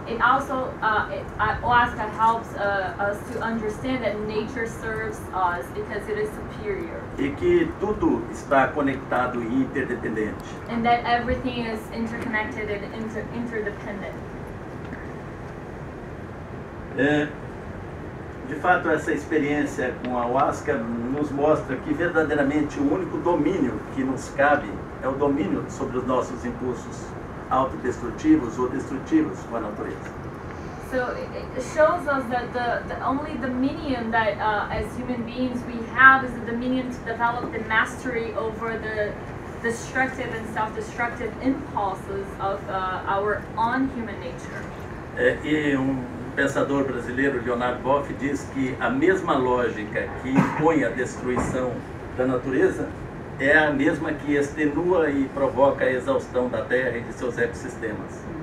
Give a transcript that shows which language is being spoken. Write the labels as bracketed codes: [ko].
[en] It also, Ayahuasca helps us to understand that nature serves us because it is superior. [pt] E que tudo está conectado e interdependente. [en] And that everything is interconnected and interdependent. [pt] De fato, essa experiência com a Ayahuasca nos mostra que verdadeiramente o único domínio que nos cabe é o domínio sobre os nossos impulsos autodestrutivos ou destrutivos com a natureza. [en] So it shows us that the only dominion that as human beings we have is the dominion to develop the mastery over the destructive and self-destructive impulses of our own human nature. [pt] E pensador brasileiro Leonardo Boff diz que a mesma lógica que impõe a destruição da natureza é a mesma que extenua e provoca a exaustão da Terra e de seus ecossistemas.